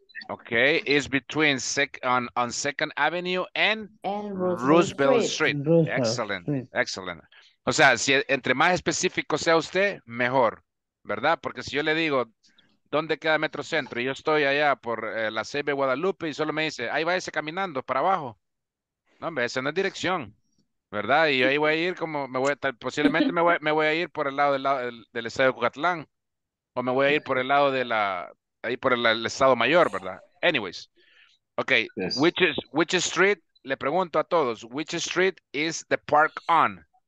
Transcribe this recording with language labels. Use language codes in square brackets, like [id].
[en] Okay, it's between on Second Avenue and Roosevelt Street. Excellent. [es] O sea, si entre más específico sea usted, mejor. ¿Verdad? Porque si yo le digo, ¿dónde queda Metro Centro? Y yo estoy allá por la CB Guadalupe y solo me dice, ahí va ese caminando para abajo. No, hombre, esa no es dirección, ¿verdad? Y yo ahí voy a ir como, posiblemente me voy a ir por el lado del estado de Cucatlán, o me voy a ir por el lado de el estado mayor, ¿verdad? [en] Anyways, okay, yes. Which street, [es] le pregunto a todos, [en] which street is the park on?